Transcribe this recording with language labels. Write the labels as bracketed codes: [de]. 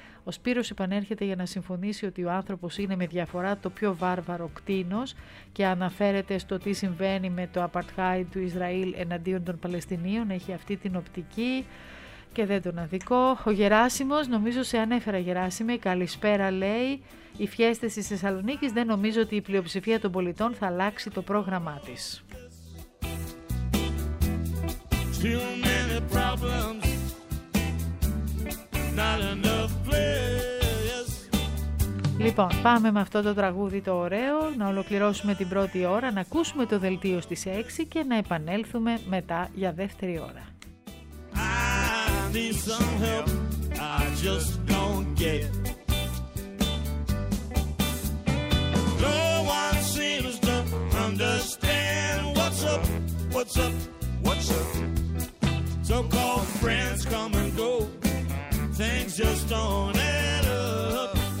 [el] Ο Σπύρος επανέρχεται για να συμφωνήσει ότι ο άνθρωπος είναι με διαφορά το πιο βάρβαρο κτίνος και αναφέρεται στο τι συμβαίνει με το apartheid του Ισραήλ εναντίον των Παλαιστινίων. Έχει αυτή την οπτική και δεν τον αδικό. Ο Γεράσιμος, νομίζω σε ανέφερα Γεράσιμε, καλησπέρα λέει. Οι φιέστες της Θεσσαλονίκης, δεν νομίζω ότι η πλειοψηφία των πολιτών θα αλλάξει το πρόγραμμά της. [en] Too many problems, not enough players. [el] Λοιπόν, πάμε με αυτό το τραγούδι το ωραίο να ολοκληρώσουμε την πρώτη ώρα, να ακούσουμε το δελτίο στις 6 και να επανέλθουμε μετά για δεύτερη ώρα. [en] I need some help, I just don't get it. No one seems to understand what's up, what's up, what's up. So-called friends come and go, things just don't add up.